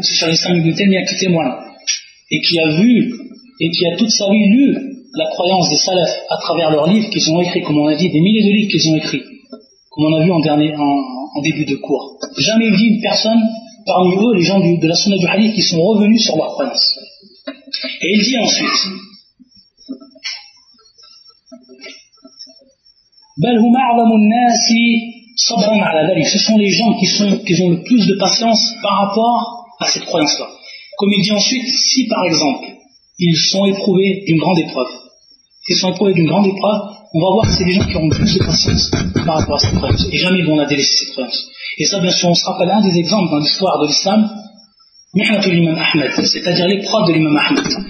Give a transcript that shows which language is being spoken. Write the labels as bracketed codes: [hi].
[fr] C'est Shaykh al-Islam ibn Taymiyyah qui témoigne. Et qui a vu et qui a toute sa vie lu la croyance des salafs à travers leurs livres qu'ils ont écrits, comme on a dit, des milliers de livres qu'ils ont écrits, comme on a vu en début de cours. Jamais vu une personne parmi eux, les gens de la Sunna du Hadith, qui sont revenus sur leur croyance. Et il dit ensuite [ar] بَلْ هُمْ أَعْلَمُ النَّاسِ صَبْرًا عَلَى ذَلِكَ. [fr] Ce sont les gens qui ont le plus de patience par rapport à cette croyance-là. Comme il dit ensuite, si par exemple ils sont éprouvés d'une grande épreuve. S'ils sont éprouvés d'une grande épreuve, on va voir que c'est des gens qui auront plus de patience par rapport à cette croyance. Et jamais ils vont la délaisser, cette croyance. Et ça, bien sûr, on se rappelle un des exemples dans l'histoire de l'islam, Mihnat l'imam Ahmed, c'est-à-dire l'épreuve de l'imam Ahmed.